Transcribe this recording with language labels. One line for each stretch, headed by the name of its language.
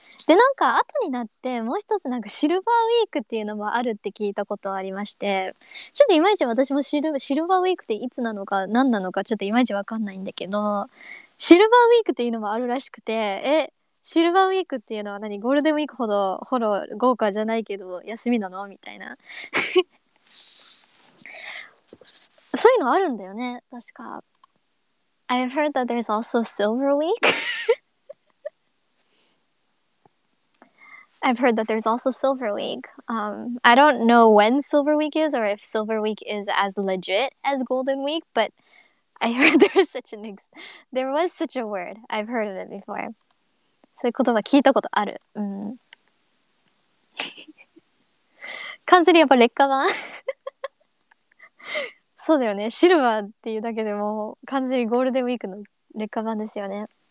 Japanese: で、なんか後になってもう一つなんかシルバーウィークっていうのもあるって聞いたことありまして、ちょっといまいち私もシルバーウィークっていつなのか何なのかちょっといまいちわかんないんだけど、シルバーウィークっていうのもあるらしくて、シルバーウィークっていうのは何？ゴールデンウィークほどほろ豪華じゃないけど休みなの？みたいな。そういうのあるんだよね、確か。
English: I've heard that there's also Silver Week. I've heard that there's also Silver Week. I don't know when Silver Week is or if Silver Week is as legit as Golden Week, but I heard there's such an there was such a word. I've heard of it before.
Japanese: そういう言葉聞いたことある。うん。完全にやっぱ劣化版。そうだよね。シルバーっていうだけでも完全にゴールデンウィークの劣化版ですよね。